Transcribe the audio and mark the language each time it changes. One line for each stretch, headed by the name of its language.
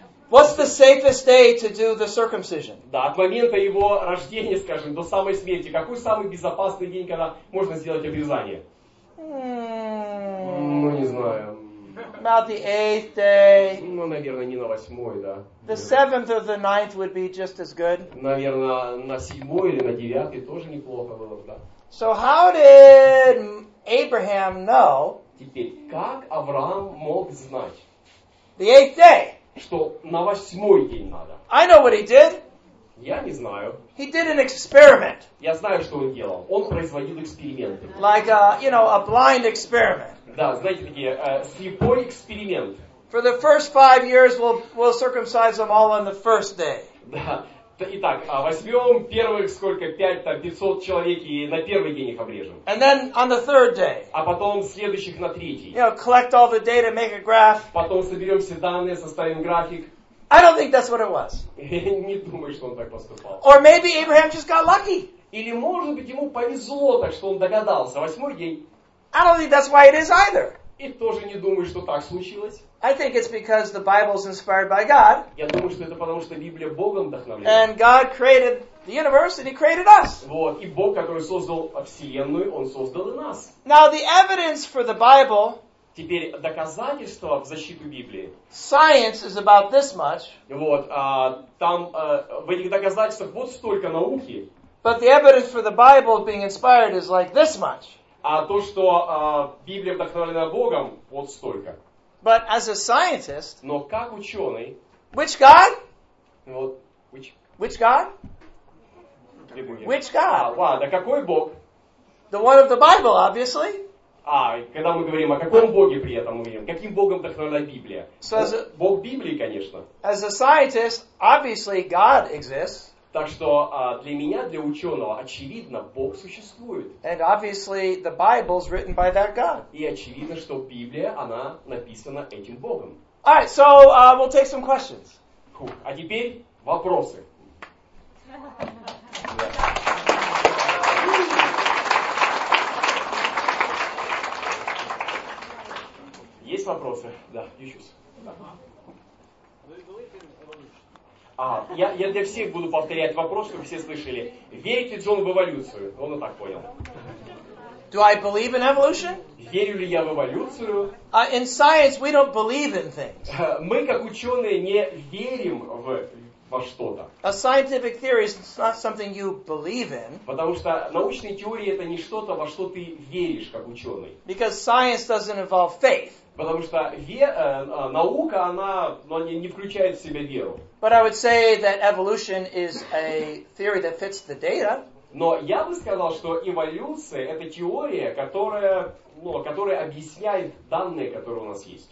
English: What's the safest day to do the circumcision?
Russian: Да, от момента его рождения, скажем, до самой смерти, какой самый безопасный день, когда можно сделать обрезание? Ну, не знаю.
English: About the eighth day.
Russian: Ну, наверное, не на восьмой, да.
English: The seventh or the ninth would be just as good.
Russian: Наверное, на седьмой или на девятый тоже неплохо было, да.
English: So how did Abraham know?
Russian: Теперь, как Авраам мог знать?
English: The eighth day.
Russian: Что на восьмой день надо.
English: I know what he did.
Russian: Я не знаю.
English: He did an experiment.
Russian: Я знаю, что он делал. Он производил эксперименты.
English: Like a, you know, a blind experiment.
Russian: Да, знаете, такие слепой эксперимент.
English: For the first five years, we'll circumcise them all on the first day.
Russian: Да. Итак, возьмем первых сколько, 500 человек, и на первый день их обрежем.
English: And then on the third day.
Russian: А потом следующих на третий.
English: You know, collect all the data, make a graph.
Russian: Потом соберем все данные, составим график.
English: I don't think that's what it was.
Russian: Не думаю, что он так поступал.
English: Or maybe Abraham just got lucky.
Russian: Или может быть ему повезло так, что он догадался. Восьмой день.
English: I don't think that's why it is either.
Russian: И тоже не думаю, что так случилось.
English: I think it's because the Bible is inspired by God.
Russian: Я думаю, что это потому, что Библия Богом вдохновлена.
English: And God created the universe and he created us.
Russian: Вот, и Бог, который создал Вселенную, он создал и нас.
English: Now the evidence for the Bible.
Russian: Теперь доказательство в защиту Библии.
English: Science is about this much.
Russian: Вот, в этих доказательствах вот столько науки.
English: But the evidence for the Bible being inspired is like this much.
Russian: А то, что Библия вдохновлена Богом, вот столько.
English: But as a scientist,
Russian: но как ученый,
English: which God?
Russian: Вот,
English: which God? Which God?
Russian: Ладно, какой Бог?
English: The one of the Bible, obviously.
Russian: Когда мы говорим о каком Боге при этом мы говорим, каким Богом вдохновлена Библия? So Бог, Бог Библии, конечно.
English: As a scientist, obviously God exists.
Russian: Так что для меня, для ученого, очевидно, Бог существует.
English: And obviously the Bible's written by that God.
Russian: И очевидно, что Библия, она написана этим Богом.
English: All right, so we'll take some questions.
Russian: Cool. А теперь вопросы. Есть вопросы? Да, ищусь. Я для всех буду повторять вопрос, чтобы все слышали. Верит ли Джон в эволюцию? Он и так понял.
English: Do I believe in evolution?
Russian: Верю ли я в эволюцию?
English: In science we don't believe in things.
Russian: Мы, как ученые, не верим во что-то.
English: A scientific theory is not something you believe in.
Russian: Потому что научные теории это не что-то, во что ты веришь, как ученый.
English: Because science doesn't involve faith.
Russian: Потому что наука, она не включает в себя веру.
English: But I would say that evolution is a theory that fits the data.
Russian: Но я бы сказал, что эволюция это теория, которая объясняет данные, которые у нас есть.